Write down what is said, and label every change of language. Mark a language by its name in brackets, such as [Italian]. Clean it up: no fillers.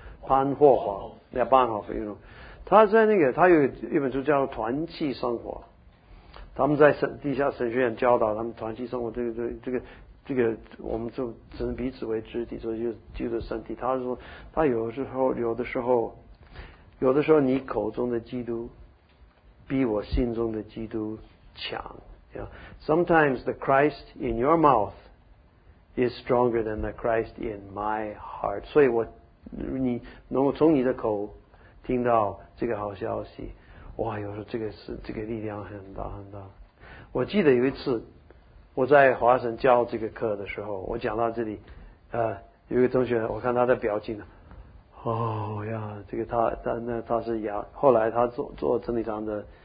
[Chinese] 潘霍华，那潘霍华，他在那个，他有一本书叫《团契生活》，他们在地下神学院教导他们团契生活，这个，我们就只能彼此为肢体，所以就基督的身体。他说，他有的时候，你口中的基督比我心中的基督强。 Yeah. [English] Sometimes the Christ in your mouth is stronger than the Christ in my heart. [Chinese] 所以我，你能够从你的口听到这个好消息，哇，有时候这个力量很大很大。我记得有一次我在华神教这个课的时候，我讲到这里，有一个同学，我看他的表情，哦呀，这个他是阳，后来他做真理堂的。